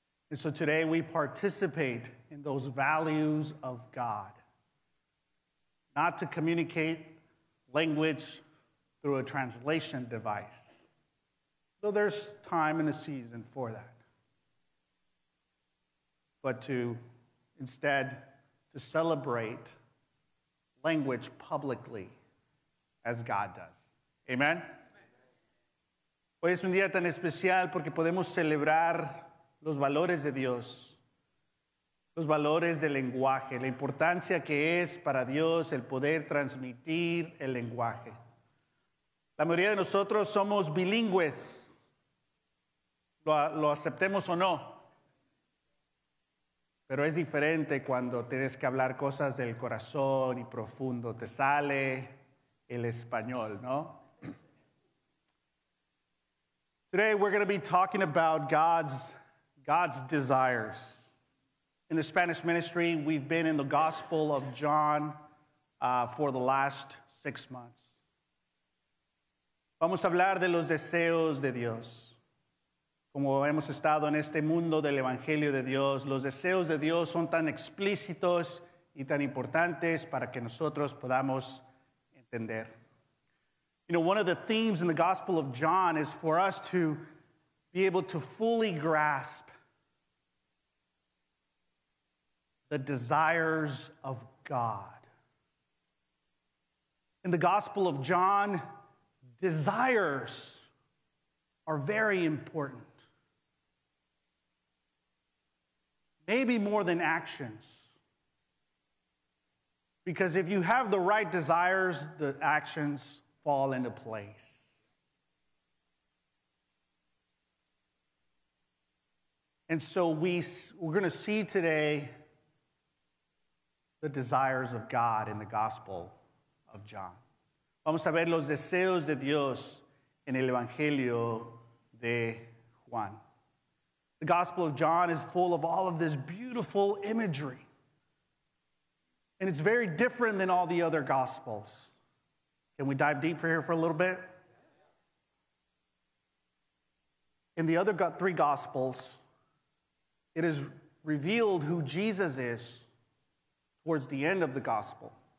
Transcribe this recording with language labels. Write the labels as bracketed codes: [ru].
[en] And so today we participate in those values of God, not to communicate language through a translation device, though there's time and a season for that, but to instead to celebrate language publicly as God does. Amen? [es] Hoy es un día tan especial porque podemos celebrar los valores de Dios, los valores del lenguaje, la importancia que es para Dios el poder transmitir el lenguaje. La mayoría de nosotros somos bilingües, lo aceptemos o no, pero es diferente cuando tienes que hablar cosas del corazón y profundo, te sale el español, ¿no? [en] Today we're going to be talking about God's desires. In the Spanish ministry, we've been in the Gospel of John for the last 6 months. [es] Vamos a hablar de los deseos de Dios. Como hemos estado en este mundo del Evangelio de Dios, los deseos de Dios son tan explícitos y tan importantes para que nosotros podamos entender. [en] You know, one of the themes in the Gospel of John is for us to be able to fully grasp the desires of God. In the Gospel of John, desires are very important. Maybe more than actions. Because if you have the right desires, the actions fall into place. And so we're going to see today the desires of God in the Gospel of John. [es] Vamos a ver los deseos de Dios en el Evangelio de Juan. [en] The Gospel of John is full of all of this beautiful imagery. And it's very different than all the other Gospels. Can we dive deep here for a little bit? In the other three Gospels, it is revealed who Jesus is towards the end of the Gospel.